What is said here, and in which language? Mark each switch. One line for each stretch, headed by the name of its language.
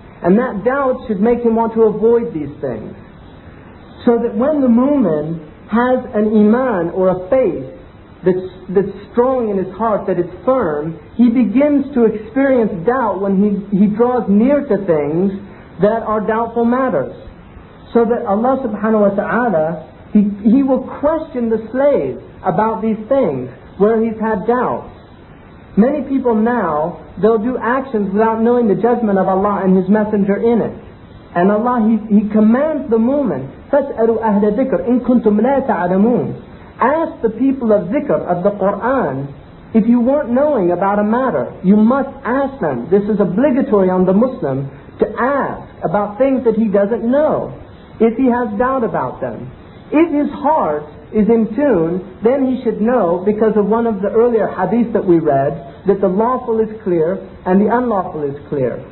English: And that doubt should make him want to avoid these things. So that when the mu'min has an iman or a faith that's strong in his heart, that it's firm, he begins to experience doubt when he draws near to things that are doubtful matters. So that Allah subhanahu wa ta'ala, he will question the slave about these things where he's had doubts. Many people now, they'll do actions without knowing the judgment of Allah and His Messenger in it. And Allah, He commands the mu'min,
Arabic: فَاسْأَلُوا أَهْلَ ذِكْرٍ إِن كُنْتُمْ لَا تَعْلَمُونَ.
English: Ask the people of dhikr, of the Qur'an, if you weren't knowing about a matter, you must ask them. This is obligatory on the Muslim to ask about things that he doesn't know, if he has doubt about them. If his heart is in tune, then he should know because of one of the earlier hadith that we read, that the lawful is clear and the unlawful is clear.